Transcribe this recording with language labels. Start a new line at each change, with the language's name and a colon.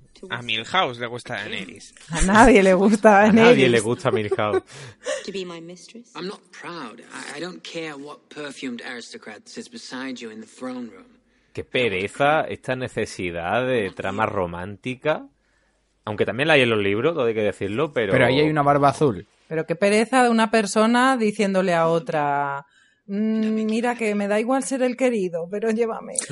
Spanish: A Milhouse le gusta Daenerys. A nadie le gusta Daenerys. A nadie le gusta Milhouse.
English: To be my mistress. I'm not proud. I don't care what perfumed aristocrat sits beside you in the throne room.
Spanish: Qué pereza esta necesidad de trama romántica. Aunque también la hay en los libros, todo hay que decirlo, pero... Pero ahí hay una barba azul. Pero qué pereza de una persona diciéndole a otra, mira que me da igual ser el querido, pero llévame.